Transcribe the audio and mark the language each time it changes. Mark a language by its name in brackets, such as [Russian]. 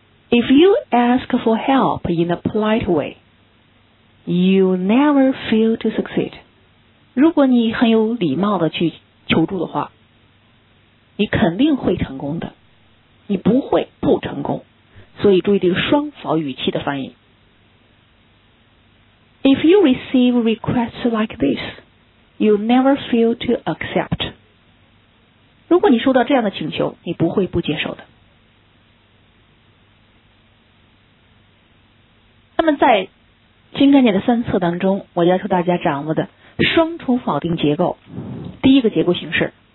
[English] If you ask for help in a polite way, you never fail to succeed. [Chinese] 如果你很有礼貌地去求助的话，你肯定会成功的，你不会不成功。所以注意这个双否语气的翻译。 [English] If you receive requests like this, you never fail to accept. [Chinese] 如果你收到这样的请求，你不会不接受的。那么在新概念的三册当中，我要求大家掌握的双重否定结构，第一个结构形式